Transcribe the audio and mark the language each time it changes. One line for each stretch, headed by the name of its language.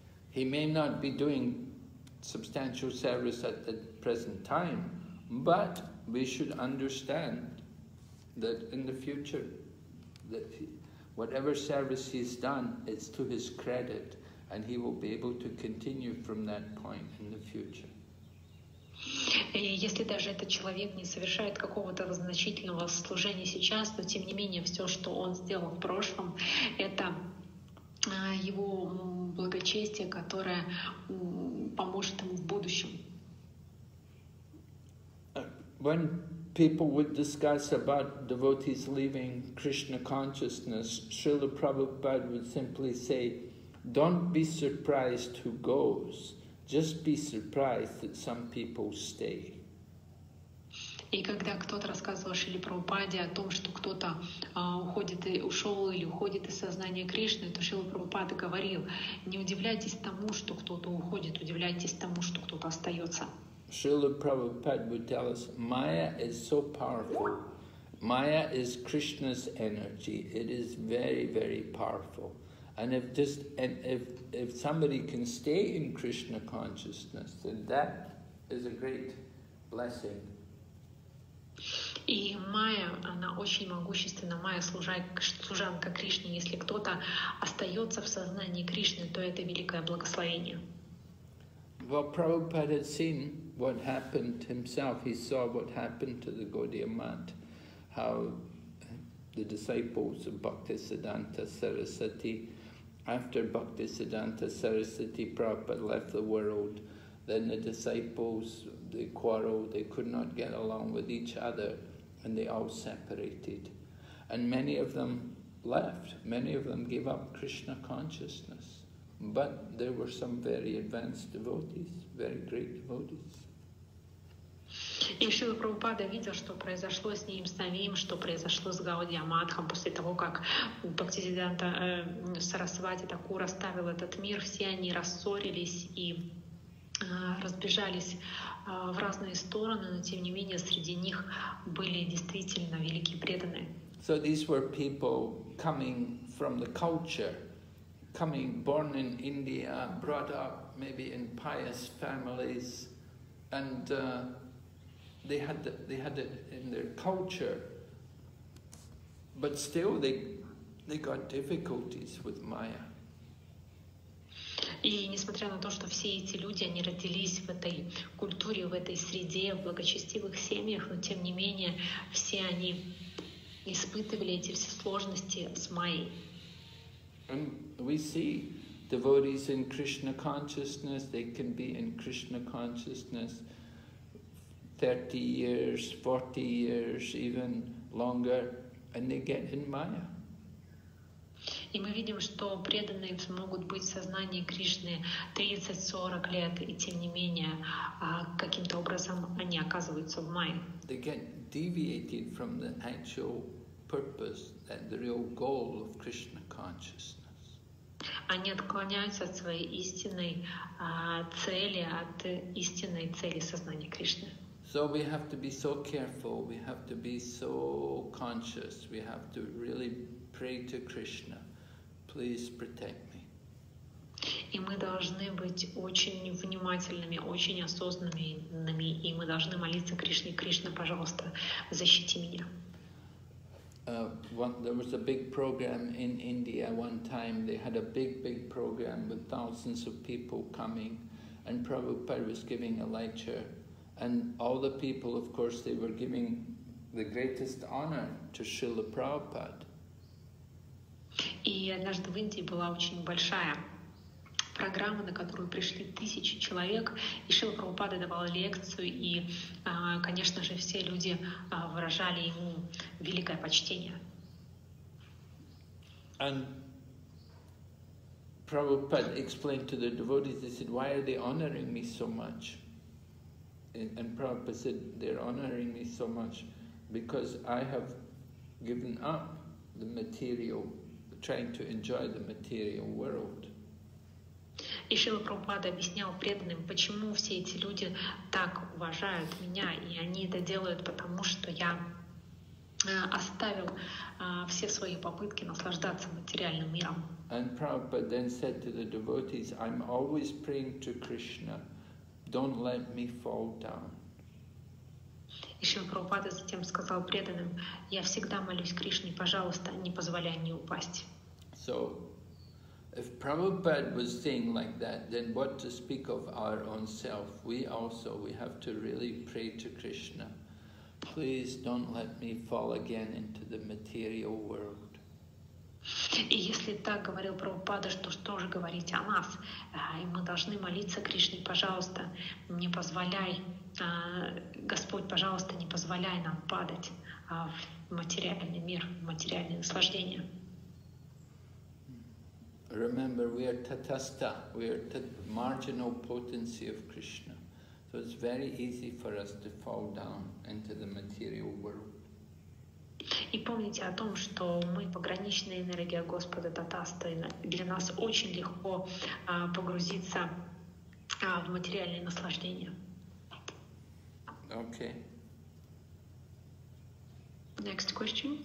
English: He may not be doing substantial service at the present time, but we should understand that in the future, that whatever service he's done, it's to his credit, and he will be able to continue from that point in the future.
Russian: И если даже этот человек не совершает какого-то значительного служения сейчас, то тем не менее все, что он сделал в прошлом, это его благочестие, которое поможет ему в будущем.
English: When people would discuss about devotees leaving Krishna consciousness, Srila Prabhupada would simply say, "Don't be surprised who goes. Just be surprised that some people stay."
Russian: И когда кто-то рассказывал Шриле Прабхупаде о том, что кто-то уходит и ушел или уходит из сознания Кришны, то Шрила Прабхупада говорил: не удивляйтесь тому, что кто-то уходит, удивляйтесь тому, что кто-то остается.
English: Шрила Прабхупада would tell us, Maya is so powerful. Maya is Krishna's energy. It is very, very powerful. And if somebody can stay in Krishna consciousness, then that is a great blessing.
Russian: И Майя, она очень могущественна. Майя служанка Кришне. Если кто-то остается в сознании Кришны, то это великое благословение.
English: Well, Prabhupada had seen what happened himself. He saw what happened to the Gaudiya Math, how the disciples of Bhaktisiddhanta Sarasvati, after Bhaktisiddhanta Sarasvati Prabhupada left the world, then the disciples, they quarreled, they could not get along with each other, and they all separated. And many of them left, many of them gave up Krishna consciousness. But there were some very advanced devotees, very great devotees.
Russian: И Шрила Прабхупада видел, что произошло с ним самим, что произошло с Гаудия Матхом после того, как Бхактисиддханта Сарасвати Такур оставил этот мир. Все они рассорились и разбежались в разные стороны, но тем не менее среди них были действительно великие преданные.
English: So these were people coming from the culture, coming born in India, brought up maybe in pious families, and they had it in their culture, but still they got difficulties with Maya.
Russian: И несмотря на то, что все эти люди, они родились в этой культуре, в этой среде, в благочестивых семьях, но тем не менее все они испытывали эти все сложности с Майей.
English: And we see devotees in Krishna consciousness, they can be in Krishna consciousness 30 years, 40 years, even longer, and they get in Maya.
Russian: И мы видим, что преданные могут быть в сознании Кришны 30-40 лет, и тем не менее, каким-то образом они оказываются в Майе.
English: They get deviated from the actual purpose, that the real goal of Krishna consciousness.
Russian: Они отклоняются от своей истинной цели, от истинной цели сознания Кришны.
English: So we have to be so careful, we have to be so conscious, we have to really pray to Krishna, please protect me.
Russian: И мы должны быть очень внимательными, очень осознанными, и мы должны молиться Кришне: Кришна, пожалуйста, защити меня.
English: There was a big program in India one time. They had a big program with thousands of people coming, and Prabhupada was giving a lecture, and all the people, of course, they were giving the greatest honor to Srila Prabhupada.
Russian: И однажды в Индии была очень большая программа, на которую пришли тысячи человек, и Шрила Прабхупада давал лекцию, и, конечно же, все люди выражали ему великое почтение.
English: And Prabhupada explained to the devotees, they said, why are they honoring me so much? And Prabhupada said, they're honoring me so much because I have given up the material, trying to enjoy the material world.
Russian: И Шрила Прабхупада объяснял преданным, почему все эти люди так уважают меня, и они это делают, потому что я оставил все свои попытки наслаждаться материальным миром.
English: And Prabhupada then said to the devotees, I'm always praying to Krishna, don't let me fall down.
Russian: И Шрила Прабхупада затем сказал преданным, я всегда молюсь Кришне, пожалуйста, не позволяй мне упасть.
English: So, if Prabhupada was saying like that, then what to speak of our own self? We have to really pray to Krishna. Please don't let me fall again into the material world.
Russian: И если так говорил Прабхупада, что же говорить о нас? И мы должны молиться Кришне, пожалуйста, не позволяй, Господь, пожалуйста, не позволяй нам падать в материальный мир, в материальные наслаждения.
English: Remember, we are tatastha, we are marginal potency of Krishna. So it's very easy for us to fall down into the material world.
Russian: И помните о том, что мы пограничная энергия Господа татаста, и для нас очень легко погрузиться в материальные наслаждения.
English: Okay. Next question.